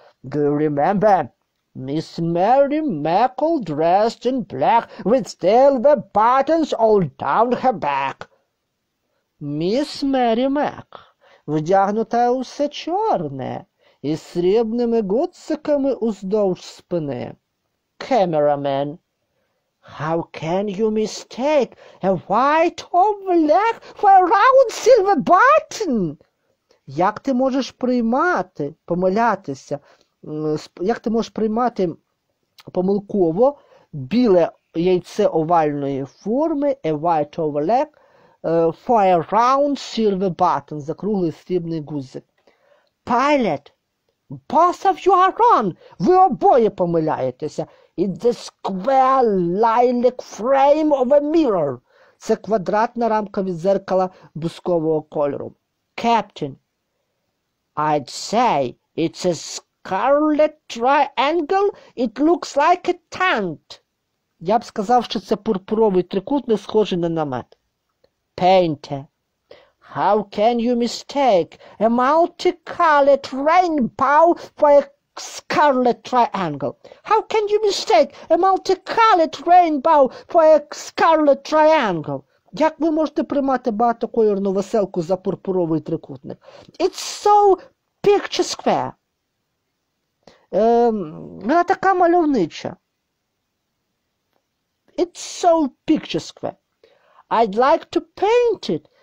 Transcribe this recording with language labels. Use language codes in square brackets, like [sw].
[en] Do you remember? Miss Mary Mac all dressed in black with silver buttons all down her back. [uk] Міс Мері Мек, вдягнута усе чорне, із срібними гуциками уздовж спини. [en] Cameraman. How can you mistake a white or black for a round silver button? [uk] Як ти можеш приймати, помилятися, як ти можеш приймати помилково біле яйце овальної форми, [en] a white or black, for a round silver button, [uk] за круглий срібний гузик. [en] Pilot, both of you are wrong. [uk] Ви обоє помиляєтеся. [en] It's the square lilac frame of a mirror. [uk] Це квадратна рамка від дзеркала бускового кольору. [en] Captain, I'd say it's a scarlet triangle. It looks like a tent. [uk] Я б сказав, що це пурпуровий трикутник, схожий на намет. [en] Painter, how can you mistake a multicolored rainbow for a scarlet triangle? How can you mistake a multicolored rainbow for a scarlet triangle? [uk] Як ви можете приймати багатокольорну веселку за пурпуровий трикутник? [en] It's so picture square. [uk] Вона така мальовнича. [en] It's so picture square. I'd like to paint it.